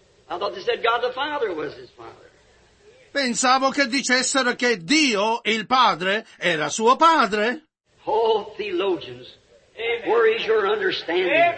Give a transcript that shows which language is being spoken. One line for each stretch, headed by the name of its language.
English: I thought they said God the Father was his father.
Italian: Pensavo che dicessero che Dio, il Padre, era suo padre.
English: Oh, theologians, where is your understanding?